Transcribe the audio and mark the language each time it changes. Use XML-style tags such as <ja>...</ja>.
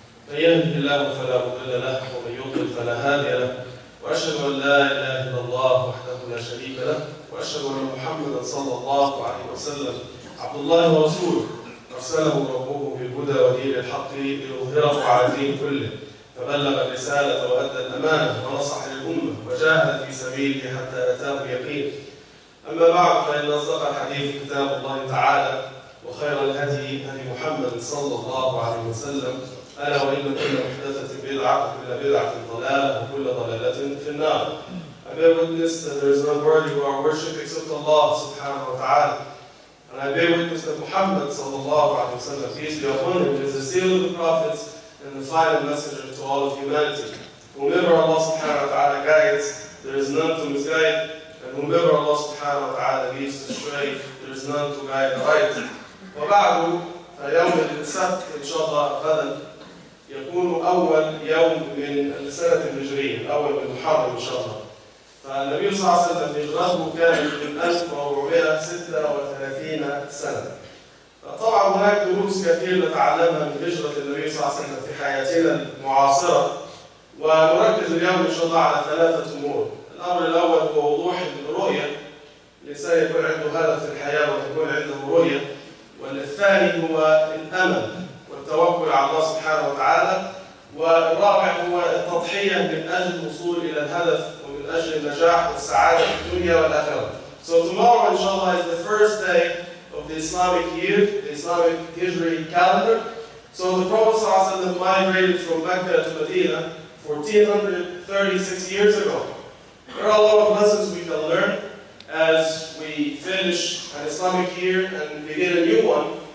<ar>فيهدي الله فلا مضل له ومن يضلل فلا هادي له واشهد ان لا اله الا الله وحده لا شريك له واشهد ان محمدا صلى الله عليه وسلم عبد الله ورسوله ارسله ربه بالهدى ودين الحق ليظهره على الدين كله فبلغ الرساله وادى الامانه ونصح للامه وجاهد في سبيله حتى اتاه اليقين اما بعد فان اصدق الحديث كتاب الله تعالى وخير الهدي هدي محمد صلى الله عليه وسلم الا وان كل محدثة بدعة وكل بدعة ضلالة وكل ضلالة في النار.</ar> <en>I bear witness that there is no worthy of our worship except Allah subhanahu wa ta'ala. And I bear witness that Muhammad</en> <ar>صلى الله عليه وسلم,</ar> <en>peace be upon him, is the seal of the prophets and the final messenger to all of humanity. Whomever Allah subhanahu wa ta'ala guides, there is none to misguide, and whomever Allah subhanahu wa ta'ala leads astray, there is none to guide aright.</en> <ar>وبعده فيوم السبت إن شاء الله غدا يكون أول يوم من السنة الهجرية الأول من محرم إن شاء الله. فالنبي صلى الله عليه وسلم هجرته كان من 1436 سنة. فطبعا هناك دروس كثيرة نتعلمها من هجرة النبي صلى الله عليه وسلم في حياتنا المعاصرة. ونركز اليوم إن شاء الله على ثلاثة أمور. الأمر الأول هو وضوح الرؤية. الإنسان يكون عنده هدف في الحياة ويكون عنده رؤية. والثاني هو الأمل والتوكل على الله سبحانه وتعالى. والرابع هو التضحية من أجل الوصول إلى الهدف ومن أجل النجاح والسعادة في الدنيا والآخرة.</ar> <en>So tomorrow</en> <ar>إن شاء الله</ar> <en>is the first day of the Islamic year, the Islamic Hijri calendar. So the Prophet</en> <ar>صلى الله عليه وسلم</ar> <en>migrated from Mecca to Medina 1436 years ago. There are a lot of lessons we can learn as we finish an Islamic year and begin a new one.</en>